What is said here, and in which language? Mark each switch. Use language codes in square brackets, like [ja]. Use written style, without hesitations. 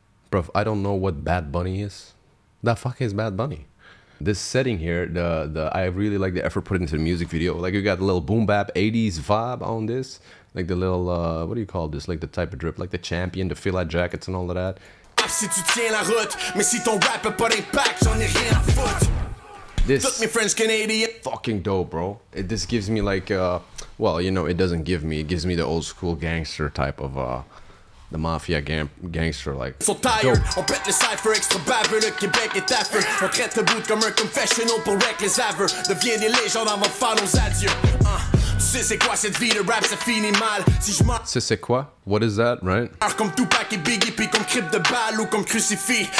[en] Bro, I don't know what Bad Bunny is. The fuck is Bad Bunny? This setting here, the I really like the effort put into the music video. Like, you got the little boom bap 80s vibe on this. Like the little, what do you call this? Like the type of drip, like the champion, the fila jackets and all of that. [fr] Si tu tiens la route, mais si ton rap a pas d'impact, j'en ai rien à foutre. [en] This me French Canadian. Fucking dope, bro. This gives me like, well, you know, it doesn't give me. It gives me the old school gangster type of, the mafia gangster, like. So tired, [fr] on pète le cypher extra baveux, le Québec est affreux. On traite le bout comme un confessional pour wreck les aveux. Deviens des légendes avant de faire nos adieux. Tu sais c'est quoi cette vie de rap, ça finit mal. Si je m'en. C'est quoi? [en] What is that, right? [fr] Alors comme Tupac et Biggie, puis comme Crip de balle ou comme crucifix.